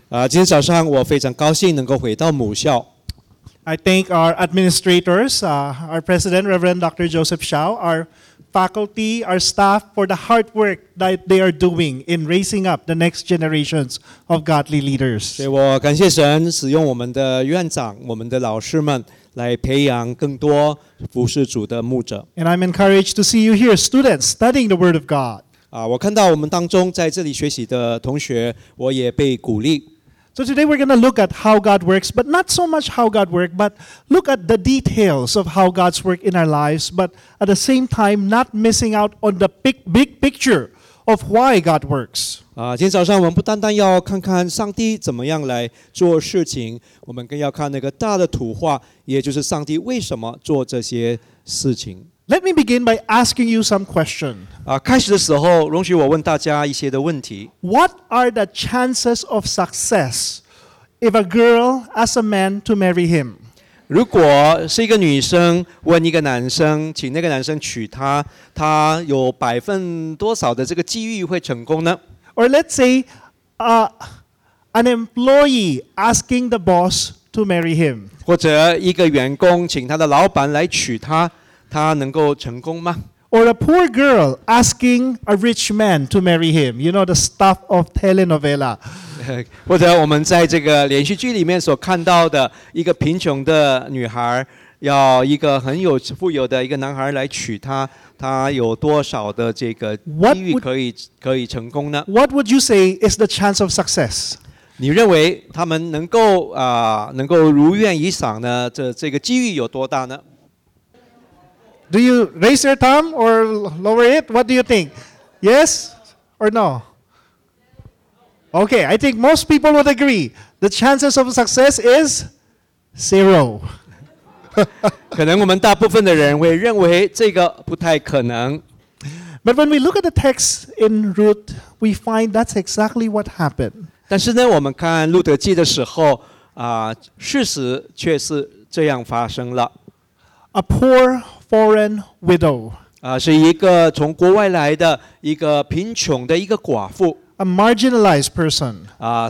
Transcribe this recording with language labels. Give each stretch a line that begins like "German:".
Chinese: 今天早上我非常高兴能够回到母校。
English: I thank our administrators, our president, Reverend Dr. Joseph Shao, our faculty, our staff for the hard work that they are doing in raising up the next generations of godly leaders.
Chinese: 所以我感谢神使用我们的院长、我们的老师们来培养更多服侍主的牧者。
English: And I'm encouraged to see you here, students studying the Word of God.
Chinese: 我看到我们当中在这里学习的同学，我也被鼓励。
English: So today we're going to look at how God works, but not so much how God works, but look at the details of how God's work in our lives, but at the same time not missing out on the big picture of why God works.
Chinese: 今天早上我们不单单要看看上帝怎么样来做事情，我们更要看那个大的图画，也就是上帝为什么做这些事情。
English: Let me begin by asking you some question.
Chinese: 开始的时候，容许我问大家一些的问题。
English: What are the chances of success if a girl asks a man to marry him?
Chinese: 如果是一个女生问一个男生，请那个男生娶她，她有百分多少的这个机遇会成功呢？
English: Or let's say, an employee asking the boss to marry him.
Chinese: 或者一个员工请他的老板来娶她。他能够成功吗？
English: Or a poor girl asking a rich man to marry him. You know, the stuff of telenovela.
Chinese: 或者我们在这个连续剧里面所看到的一个贫穷的女孩要一个很有富有的一个男孩来娶她，她有多少的这个机遇可以成功呢？
English: What would you say is the chance of success?
Chinese: 你认为他们能够如愿以偿呢？这个机遇有多大呢？
English: Do you raise your thumb or lower it? What do you think? Yes or no? Okay, I think most people would agree. The chances of success is zero.
Chinese: 可能我们大部分的人会认为这个不太可能。
English: But when we look at the text in Ruth, we find that's exactly what happened.
Chinese: 但是呢，我们看路德记的时候，事实却是这样发生了。
English: A poor foreign widow.
Chinese: 是一个从国外来的一个贫穷的一个寡妇。
English: A marginalized person.